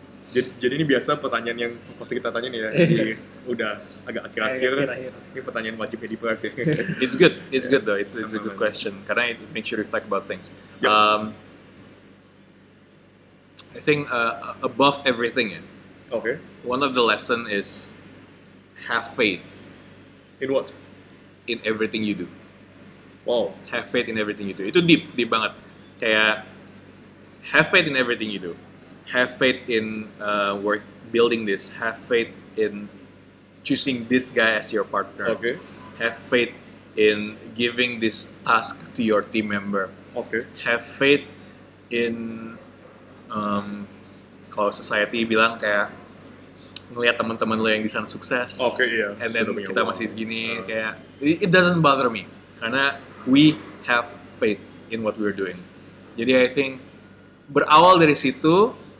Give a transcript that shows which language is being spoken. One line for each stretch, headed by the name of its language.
Indonesian: Jadi ini biasa pertanyaan yang pasti kita tanyain ya, jadi udah agak akhir-akhir, ini pertanyaan wajib di private. Ya.
English: It's good though, it's a good question,
Indonesian: karena
English: it makes you reflect about things. Yep. I think above everything, yeah, okay. One of the lesson is have faith. In what? In everything you do. Wow. Have faith in everything you do,
Indonesian: itu deep banget. Kayak,
English: have faith in everything you do. Have faith in work building this. Have faith in choosing this guy as your partner. Okay. Have faith in giving this task to your team member. Okay. Have faith in
Indonesian: kalau society bilang kayak ngelihat teman-teman lo yang di sana sukses.
English: Okay, yeah. And then
Indonesian: kita masih segini kayak
English: it doesn't bother me
Indonesian: karena
English: we have faith in what we're doing.
Indonesian: Jadi
English: I think
Indonesian: berawal dari situ.